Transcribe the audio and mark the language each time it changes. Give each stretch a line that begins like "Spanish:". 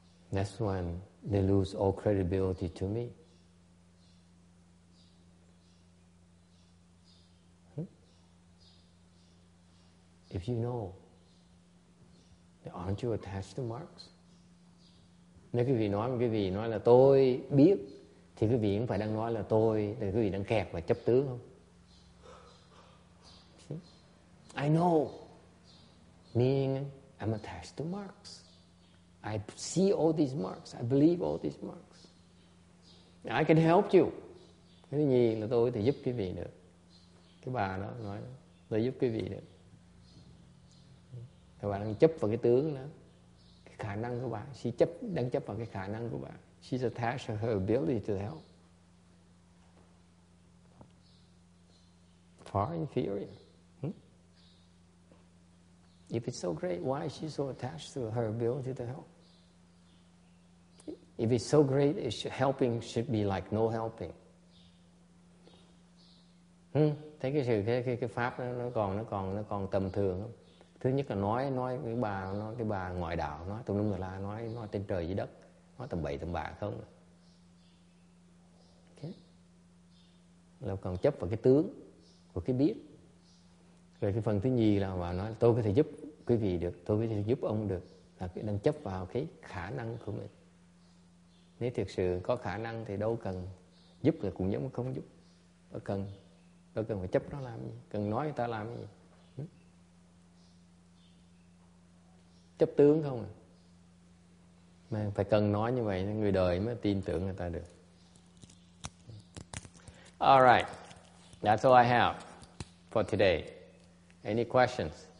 English: That's when they lose all credibility to me. If you know, aren't you attached to marks?
Vietnamese: Nếu quý vị nói, quý vị nói là tôi biết, thì quý vị cũng phải đang nói là tôi, thì quý vị đang kẹt và chấp tướng không?
English: See? I know, meaning I'm attached to marks. I see all these marks, I believe all these marks. I can help you.
Vietnamese: Cái thứ nhì là tôi thì giúp quý vị được. Cái bà đó nói, tôi giúp quý vị được. Cái bà đang chấp vào cái tướng đó. Cái khả năng của bà, she chấp, đang chấp vào cái khả năng của bà.
English: She's attached to her ability to help. Far inferior. Hmm? If it's so great, why is she so attached to her ability to help? If it's so great, it should, helping should be like no helping. Hmm?
Vietnamese: Thấy cái sự cái pháp đó, nó còn tầm thường không? Thứ nhất là nói với bà, nói cái bà ngoại đạo, nói tùm lum người la, nói trên trời dưới đất, nói tầm bậy tầm bạ không. Okay. Là còn chấp vào cái tướng của cái biết. Rồi cái phần thứ nhì là bà nói tôi có thể giúp quý vị được, tôi có thể giúp ông được, là cái đang chấp vào cái khả năng của mình. Nếu thực sự có khả năng thì đâu cần giúp, là cũng giống không giúp. Đâu cần phải chấp nó làm gì, cần nói người ta làm gì. Chấp tướng không à? Mà phải cần nói như vậy người đời mới tin tưởng người ta được.
English: All right, that's all I have for today. Any questions?